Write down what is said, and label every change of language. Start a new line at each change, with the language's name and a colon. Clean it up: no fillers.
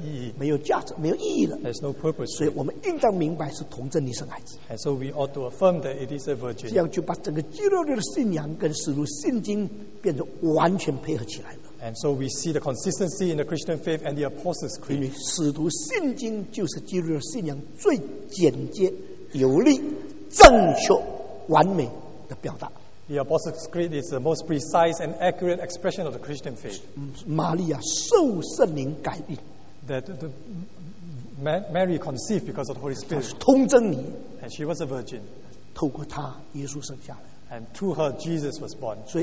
Chinese: 有一个翻译本就是说，如果只是一个注释，注读本，有一个注释说，如果只是这个年轻的妇女，就没有任何的意义，没有价值，没有意义了。
English: There's no purpose.
Chinese: 所以我们应当明白是童贞女生孩子。
English: And so we ought to affirm that it is a virgin.
Chinese: 这样就把整个基督教的信仰跟使徒信经变得完全配合起来。
English: And so we see the consistency in the Christian faith and the Apostles' Creed.
Chinese: 使徒信经就是基督的信仰最简洁、有力、正确、完美的表达。
English: The Apostles' Creed is the most precise and accurate expression of the Christian faith.
Chinese: 玛利亚受圣灵改变。
English: That the Mary conceived because of the Holy Spirit.
Chinese: 她是童贞女。
English: And she was a virgin.
Chinese: 透过她，耶稣生下来。
English: And to her, Jesus was born.